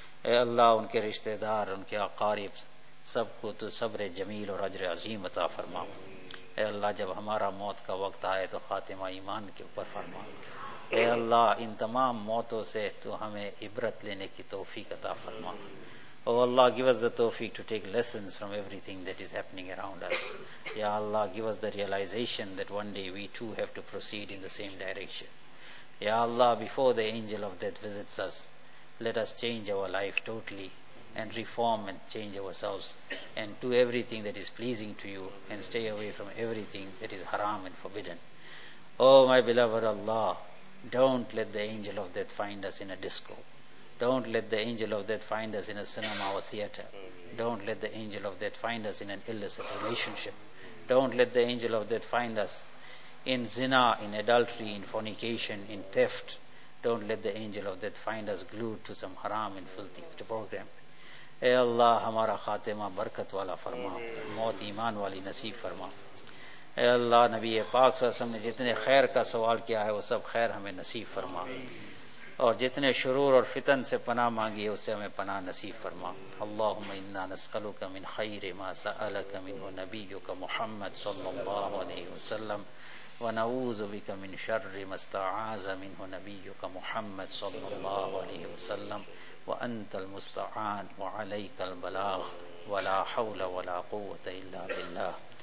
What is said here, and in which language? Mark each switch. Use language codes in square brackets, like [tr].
[ur] اے اللہ ان کے رشتہ دار ان کے اقارب سب کو تو صبر جمیل اور اجر عظیم عطا فرما اے اللہ جب ہمارا موت کا وقت آئے تو خاتمہ ایمان کے اوپر فرما اے اللہ ان تمام موتوں سے تو ہمیں عبرت لینے کی توفیق عطا فرما [en] O Allah, give us the tawfiq to take lessons from everything that is happening around us. Ya Allah, give us the realization that one day we too have to proceed in the same direction. Ya Allah, before the angel of death visits us, let us change our life totally and reform and change ourselves and do everything that is pleasing to you and stay away from everything that is haram and forbidden. Oh, my beloved Allah, don't let the angel of death find us in a disco. Don't let the angel of death find us in a cinema or theater. Don't let the angel of death find us in an illicit relationship. Don't let the angel of death find us in zina, in adultery, in fornication, in theft. Don't let the angel of death find us glued to some haram and filthy program. [ur] اے اللہ ہمارا خاتمہ برکت والا فرما, موت ایمان والی نصیب فرما. اے اللہ نبی پاک صلی اللہ علیہ وسلم نے جتنے خیر کا سوال کیا ہے وہ سب خیر ہمیں نصیب فرما, اور جتنے شرور اور فتن سے پناہ مانگی ہے اسے ہمیں پناہ نصیب فرما. [ar] اللہم انا نسألک من خیر ما سألک منہ نبیک محمد صلی اللہ علیہ وسلم ونعوذ بک من شر ما استعاذ منہ نبیک محمد صلی اللہ علیہ وسلم وانت المستعان وعليك البلاغ ولا حول ولا قوه الا بالله